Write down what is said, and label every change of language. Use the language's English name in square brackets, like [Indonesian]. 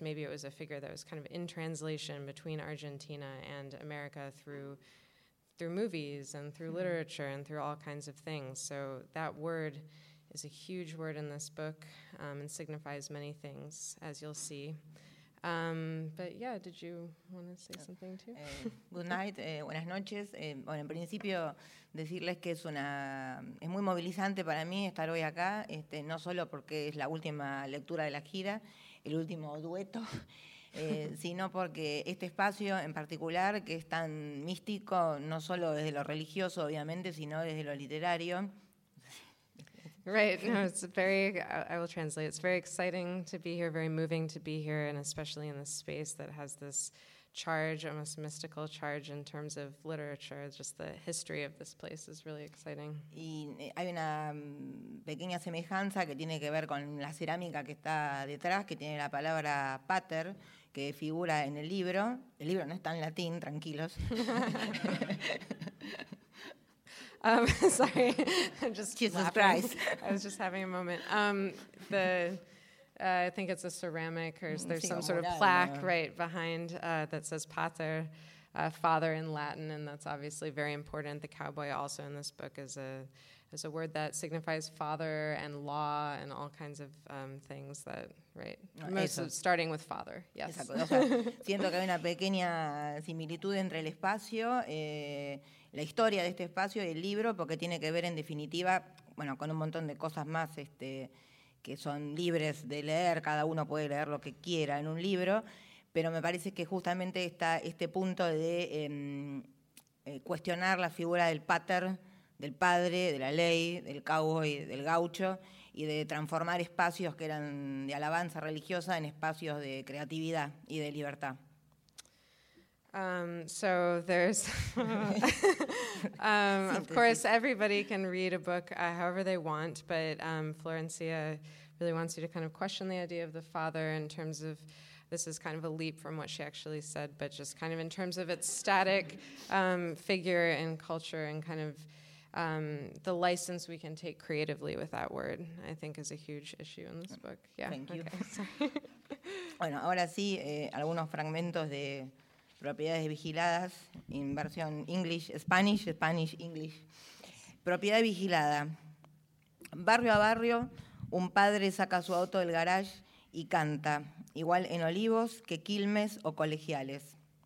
[English] Maybe it was a figure that was kind of in translation between Argentina and America through movies and through mm-hmm. literature and through all kinds of things. So that word is a huge word in this book and signifies many things, as you'll see. But yeah, did you want to say something too? Good night, [Spanish] buenas noches. Bueno, en principio decirles que es muy movilizante para mí estar hoy acá, no solo porque es la última lectura de la gira, el último dueto, sino porque este espacio en particular, que es tan místico, no solo desde lo religioso, obviamente, sino desde lo literario. [English] Right, no, it's very, I will translate, it's very exciting to be here, very moving to be here, and especially in this space that has this charge, almost mystical charge in terms of literature, just the history of this place is really exciting. [Spanish] Y hay una pequeña semejanza que tiene que ver con la cerámica que está detrás, que tiene la palabra pater, que figura en el libro no está en latín, tranquilos. [English] Sorry, I'm just Jesus laughing. Christ. I was just having a moment. I think it's a ceramic, or there's some sort of plaque right behind that says Pater. father in Latin, and that's obviously very important. The cowboy also in this book is a word that signifies father and law and all kinds of things that, right? Starting with father, yes. [Spanish] Exacto. O sea, siento que hay una pequeña similitud entre el espacio, la historia de este espacio y el libro, porque tiene que ver en definitiva, bueno, con un montón de cosas más que son libres de leer, cada uno puede leer lo que quiera en un libro, pero me parece que justamente está este punto de cuestionar la figura del pater, del padre, de la ley, del cowboy, del gaucho, y de transformar espacios que eran de alabanza religiosa en espacios de creatividad y de libertad. [English] So there's, of course, everybody can read a book however they want, but Florencia really wants you to kind of question the idea of the father in terms of, this is kind of a leap from what she actually said, but just kind of in terms of its static figure in culture and kind of the license we can take creatively with that word, I think, is a huge issue in this book. Yeah. Thank you. [Spanish] Okay, bueno, ahora sí, algunos fragmentos de propiedades vigiladas en versión [English] English, Spanish, Spanish, English. [Spanish] Propiedad vigilada. Barrio a barrio, un padre saca su auto del garage y canta, igual en Olivos que Quilmes o Colegiales.